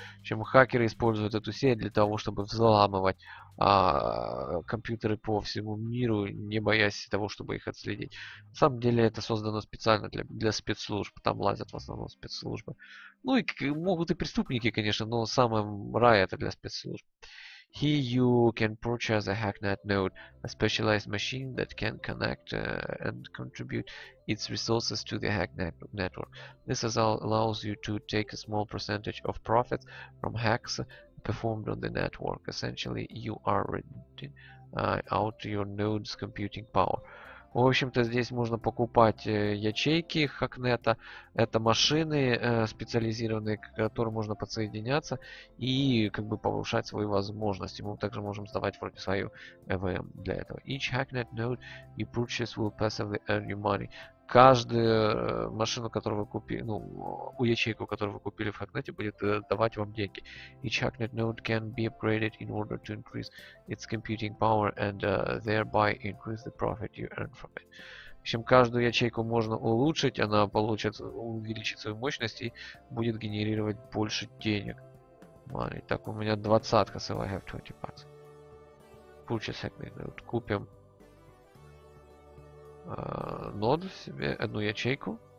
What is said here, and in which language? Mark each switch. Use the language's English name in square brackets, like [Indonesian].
[Russian] Чем хакеры используют эту сеть для того, чтобы взламывать компьютеры по всему миру, не боясь того, чтобы их отследить. На самом деле это создано специально для спецслужб. Там лазят в основном спецслужбы. Ну и могут и преступники, конечно, но самое рай это для спецслужб. [English] Here you can purchase a HackNet node, a specialized machine that can connect and contribute its resources to the HackNet network. This allows you to take a small percentage of profits from hacks performed on the network. Essentially, you are renting out your node's computing power. [Russian] В общем-то, здесь можно покупать ячейки HackNet. Это машины специализированные, к которым можно подсоединяться и как бы повышать свои возможности. Мы также можем сдавать вроде свою EVM для этого. [English] Each HackNet node you purchase will passively earn you money. [Russian] Каждую машину, которую вы купили, ну, у ячейку, которую вы купили в HackNet, будет давать вам деньги. [English] Each HackNet node can be upgraded in order to increase its computing power and thereby increase the profit you earn from it. [Russian] В общем, каждую ячейку можно улучшить, она получит, увеличит свою мощность и будет генерировать больше денег. [English] Money. [Russian] Так, у меня 20, [English] so I have 20 bucks. Purchase HackNet node. [Russian] Купим нод себе, одну ячейку.